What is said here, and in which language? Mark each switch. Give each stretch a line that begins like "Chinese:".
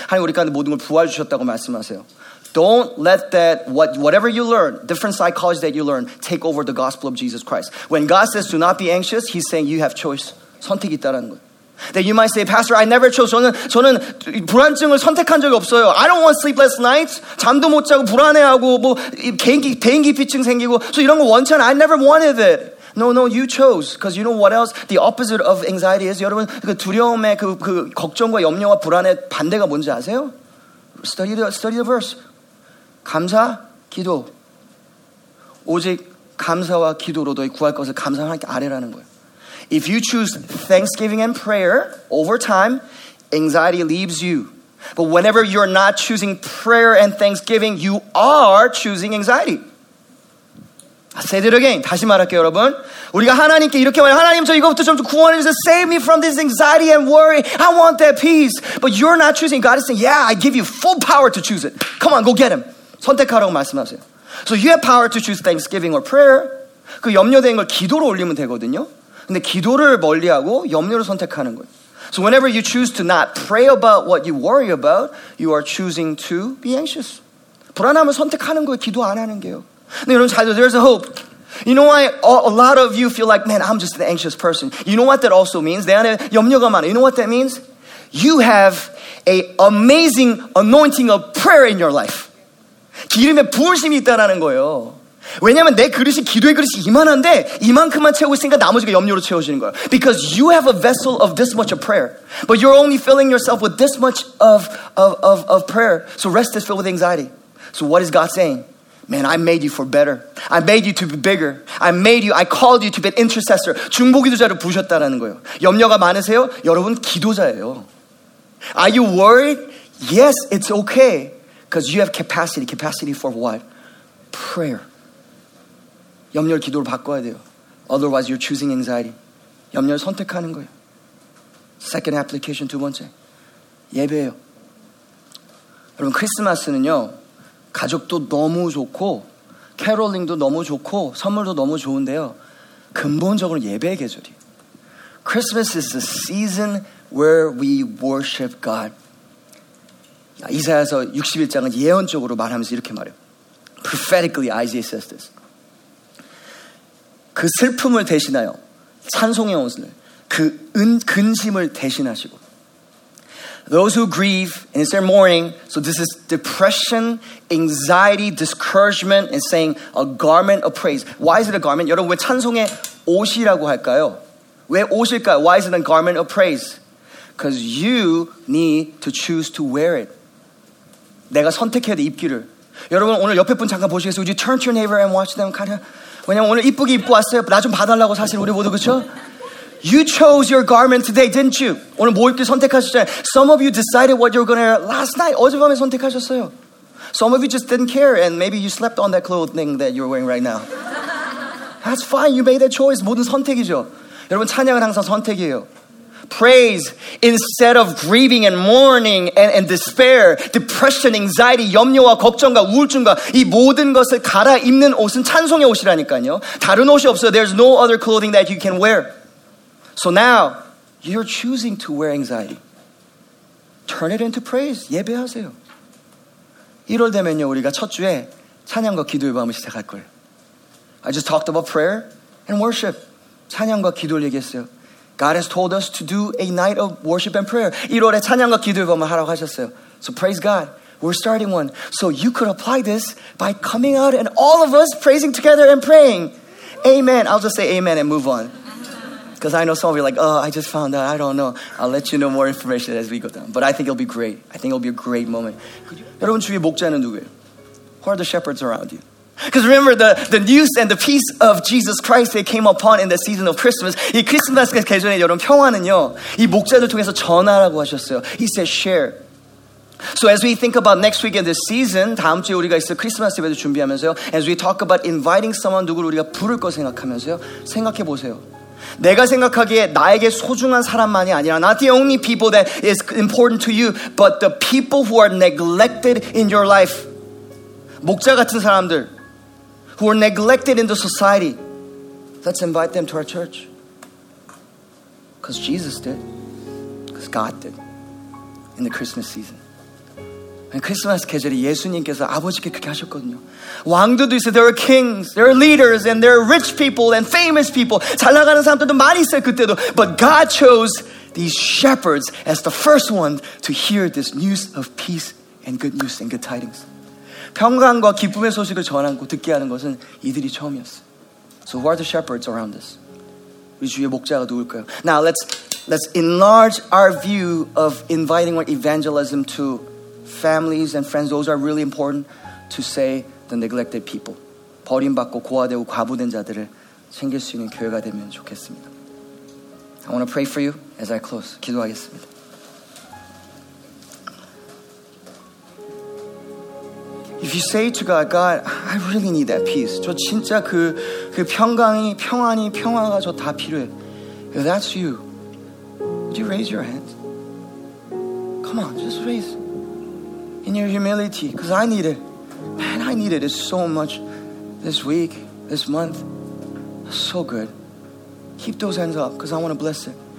Korean: 하나님 우리 가운데 모든 걸 부활주셨다고 말씀하세요.
English: Don't let that, whatever you learn, different psychology that you learn, take over the gospel of Jesus Christ. When God says do not be anxious, He's saying you have choice.
Korean: 선택이 있다라는 거예요.
English: Then you might say, Pastor, I never chose.
Korean: 저는 불안증을 선택한 적이 없어요.
English: I don't want sleepless nights.
Korean: 잠도 못 자고 불안해하고 뭐 대인기피증 생기고.
English: So
Korean: 이런 거 원치 않아.
English: I never wanted it. No, no, you chose. Because you know what else? The opposite of anxiety is,
Korean: 여러분, 그 두려움의 그 걱정과 염려와 불안의 반대가 뭔지 아세요?
English: Study the verse.
Korean: 감사, 기도. 오직 감사와 기도로 너희 구할 것을 감사하는 게 아래라는 거예요.
English: If you choose thanksgiving and prayer over time, anxiety leaves you. But whenever you're not choosing prayer and thanksgiving, you are choosing anxiety. I'll say it again.
Korean: 다시 말할게요, 여러분. 우리가 하나님께 이렇게 말해요. 하나님, 저 이것부터 좀 구원해 주세요.
English: Save me from this anxiety and worry. I want that peace. But you're not choosing. God is saying, yeah, I give you full power to choose it. Come on, go get him.
Korean: 선택하라고 말씀하세요.
English: So you have power to choose thanksgiving or prayer.
Korean: 그 염려된 걸 기도로 올리면 되거든요. 근데 기도를 멀리하고 염려를 선택하는 거예요.
English: So whenever you choose to not pray about what you worry about, you are choosing to be anxious.
Korean: 불안함을 선택하는 거예요. 기도 안 하는 게요. 근데 여러분 잘 들어,
English: there's a hope. You know why a lot of you feel like, man, I'm just an anxious person. You know what that also means?
Korean: 내 안에 염려가 많아.
English: You know what that means? You have an amazing anointing of prayer in your life.
Korean: 기름에 부으심이 있다라는 거예요. 왜냐하면 내 그릇이 기도의 그릇이 이만한데 이만큼만 채우고 있으니까 나머지가 염려로 채워지는 거예요.
English: Because you have a vessel of this much of prayer, but you're only filling yourself with this much of prayer. So rest is filled with anxiety. So what is God saying? Man, I made you for better. I made you to be bigger. I made you. I called you to be an intercessor.
Korean: 중보기도자로 부셨다라는 거예요. 염려가 많으세요? 여러분 기도자예요.
English: Are you worried? Yes, it's okay. Because you have capacity. Capacity for what? Prayer.
Korean: 염려를 기도로 바꿔야 돼요.
English: Otherwise, you're choosing anxiety.
Korean: 염려를 선택하는 거예요.
English: Second application,
Korean: 두 번째. 예배예요. 여러분, 크리스마스는요. 가족도 너무 좋고, 캐롤링도 너무 좋고, 선물도 너무 좋은데요. 근본적으로 예배의 계절이에요.
English: Christmas is the season where we worship God.
Korean: 이사야서 61장은 예언적으로 말하면서 이렇게 말해요.
English: Prophetically, Isaiah says this.
Korean: 그 슬픔을 대신하여 찬송의 옷을 그 근심을 대신하시고
English: Those who grieve, and it's their mourning, so this is depression, anxiety, discouragement, and saying a garment of praise. Why is it a garment?
Korean: 여러분 왜 찬송의 옷이라고 할까요? 왜 옷일까요?
English: Why is it a garment of praise? Because you need to choose to wear it.
Korean: 내가 선택해야 돼, 입기를. 여러분 오늘 옆에 분 잠깐 보시겠어요?
English: Would you turn to your neighbor and watch them kind of?
Korean: 왜냐면 오늘 이쁘게 입고 왔어요. 나 좀 봐달라고 사실 우리 모두 그렇죠?
English: You chose your garment today, didn't you?
Korean: 오늘 뭐 입기 선택하셨잖아요.
English: Some of you decided what you're gonna last night.
Korean: 어젯밤에 선택하셨어요.
English: Some of you just didn't care, and maybe you slept on that clothing that you're wearing right now. That's fine. You made that choice.
Korean: 모든 선택이죠. 여러분 찬양은 항상 선택이에요.
English: Praise instead of grieving and mourning and despair, depression, anxiety,
Korean: 염려와 걱정과 우울증과 이 모든 것을 갈아입는 옷은 찬송의 옷이라니까요. 다른 옷이 없어요.
English: There's no other clothing that you can wear. So now, you're choosing to wear anxiety. Turn it into praise.
Korean: 예배하세요. 1월 되면요, 우리가 첫 주에 찬양과 기도의 밤을 시작할 거예요.
English: I just talked about prayer and worship.
Korean: 찬양과 기도를 얘기했어요.
English: God has told us to do a night of worship and prayer.
Korean: 1월에 찬양과 기도의 밤을 하라고 하셨어요.
English: So praise God. We're starting one. So you could apply this by coming out and all of us praising together and praying. Amen. I'll just say amen and move on. Because I know some of you are like, oh, I just found out. I don't know. I'll let you know more information as we go down. But I think it'll be great. I think it'll be a great moment.
Korean: 여러분 주위에 목자는 누구예요?
English: Who are the shepherds around you? Because remember the news and the peace of Jesus Christ that came upon in the season of Christmas.
Korean: 이 크리스마스 계절에 여러분 평화는요. 이 목자를 통해서 전하라고 하셨어요.
English: He said, share. So as we think about next week in this season,
Korean: 다음 주에 우리가 있을 크리스마스 예배도 준비하면서요.
English: As we talk about inviting someone,
Korean: 누구를 우리가 부를 거 생각하면서요. 생각해 보세요. 내가 생각하기에 나에게 소중한 사람만이 아니라
English: not the only people that is important to you but the people who are neglected in your life
Korean: 목자 같은 사람들
English: who are neglected in the society let's invite them to our church because Jesus did because God did in the Christmas season
Korean: 크리스마스 계절에 예수님께서 아버지께 그렇게 하셨거든요. 왕들도 있어요.
English: There are kings, there are leaders, and there are rich people and famous people.
Korean: 잘 나가는 사람들도 많이 있어요, 그때도.
English: But God chose these shepherds as the first one to hear this news of peace and good news and good tidings.
Korean: 평강과 기쁨의 소식을 전하고 듣게 하는 것은 이들이 처음이었어요.
English: So who are the shepherds around us?
Korean: 우리 주위에 목자가 누굴까요?
English: Now let's enlarge our view of inviting our evangelism to families and friends, those are really important to say the neglected people.
Korean: 버림받고 고아되고 과부된 자들을 챙길 수 있는 교회가 되면 좋겠습니다.
English: I want to pray for you as I close.
Korean: 기도하겠습니다.
English: If you say to God, I really need that peace.
Korean: 저 진짜 그 평강이, 평안이, 평화가 저 다 필요해.
English: If that's you, would you raise your hand? Come on, just raise in your humility, because I need it. Man, I need it so much this week, this month. So good. Keep those hands up, because I want to bless it.